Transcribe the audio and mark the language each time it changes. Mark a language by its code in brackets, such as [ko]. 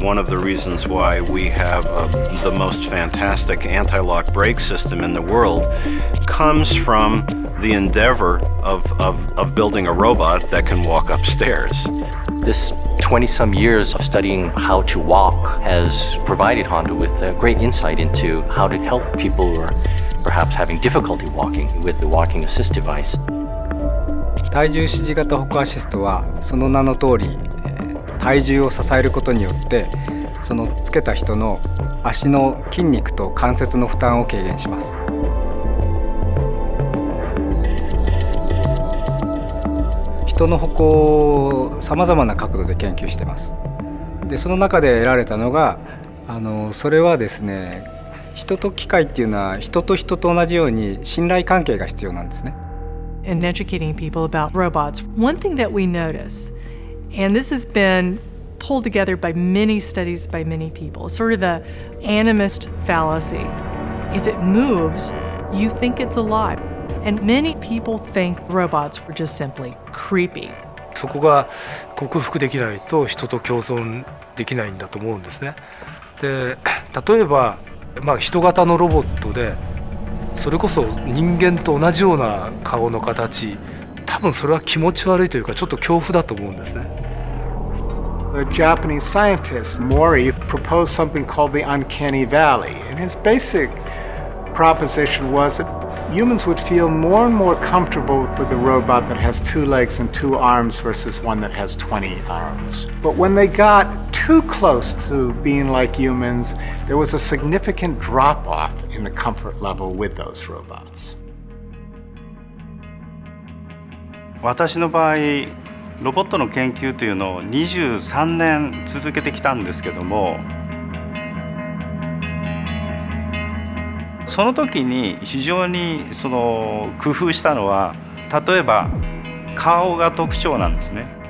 [en] One of the reasons why we have the most fantastic anti-lock brake system in the world comes from the endeavor of building a robot that can walk upstairs. This 20-some years of studying how to walk has provided Honda with a great insight into how to help people who are perhaps having difficulty walking with the walking assist device. [ja] 体重支持型歩行アシストはその名の通り、体重を支えることによってそのつけた人の足の筋肉と関節の負担を軽減します。人の歩行をさまざまな角度で研究しています。でその中で得られたのが、それはですね、人と機械っていうのは人と人と同じように信頼関係が必要なんですね。 [en] In educating people about robots, one thing that we notice, and this has been pulled together by many studies by many people, sort of the animist fallacy. If it moves, you think it's alive. And many people think robots were just simply creepy. [ja] そこが克服できないと人と共存できないんだと思うんですね。で、例えば、人型のロボットで、それこそ人間と同じような顔の形、多分それは気持ち悪いというかちょっと恐怖だと思うんですね。 [en] The Japanese scientist Mori proposed something called the Uncanny Valley. And his basic proposition was that humans would feel more and more comfortable with a robot that has two legs and two arms versus one that has 20 arms. But when they got too close to being like humans, there was a significant drop off in the comfort level with those robots. [ja] 私の場合、ロボットの研究というのを23年続けてきたんですけども、その時に非常にその工夫したのは、例えば顔が特徴なんですね。